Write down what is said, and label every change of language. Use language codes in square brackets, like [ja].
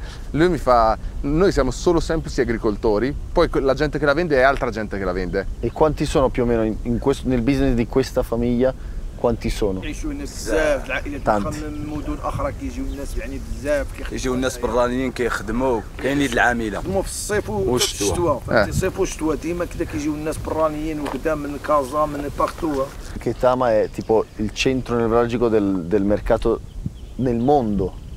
[it] Lui mi fa, noi siamo solo semplici agricoltori, poi la gente che la vende è altra gente che la vende. E quanti sono più o meno in questo, nel business di questa famiglia? Quanti sono? Tanti. [ar] يجيو الناس برانيين كيخدموا كاينين العامله هما في الصيف والشتوى في الصيف والشتوى ديما كدا كيجيو الناس برانيين وقدام من كازا من بارتو [it] كيتاما è tipo il centro nevralgico del mercato nel mondo.